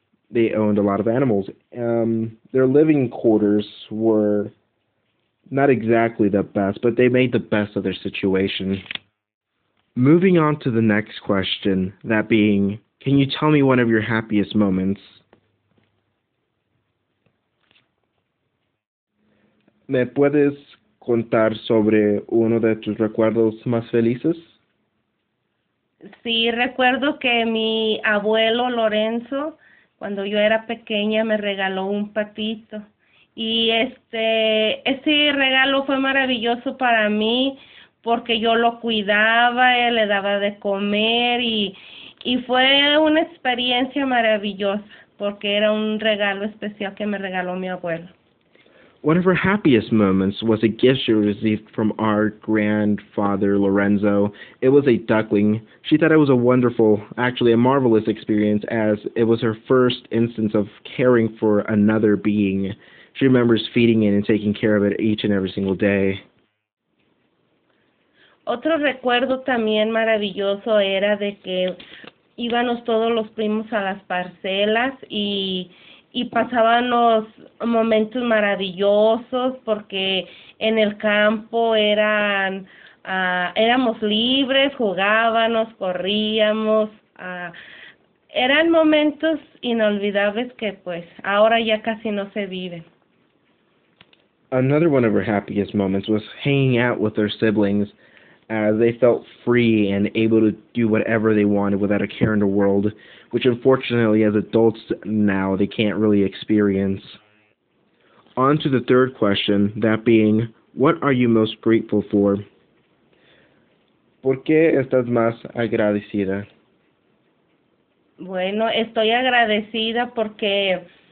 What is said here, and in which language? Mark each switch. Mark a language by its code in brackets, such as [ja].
[en] They owned a lot of animals. Their living quarters were not exactly the best, but they made the best of their situation. Moving on to the next question, that being, can you tell me one of your happiest moments? [es] ¿Me puedes contar sobre uno de tus recuerdos más felices? Sí, recuerdo que mi abuelo Lorenzo, cuando yo era pequeña, me regaló un patito. Y ese regalo fue maravilloso para mí porque yo lo cuidaba, le daba de comer y fue una experiencia maravillosa porque era un regalo especial que me regaló mi abuelo. [en] One of her happiest moments was a gift she received from our grandfather Lorenzo. It was a duckling. She thought it was a wonderful, actually a marvelous experience, as it was her first instance of caring for another being. She remembers feeding it and taking care of it each and every single day. [es] Otro recuerdo también maravilloso era de que íbamos todos los primos a las parcelas y pasábamos momentos maravillosos porque en el campo éramos libres, jugábamos, corríamos, eran momentos inolvidables que pues ahora ya casi no se viven. [en] Another one of her happiest moments was hanging out with her siblings, as they felt free and able to do whatever they wanted without a care in the world, which unfortunately, as adults now, they can't really experience. On to the third question, that being, what are you most grateful for? [es] ¿Por qué estás más agradecida? Bueno, estoy agradecida porque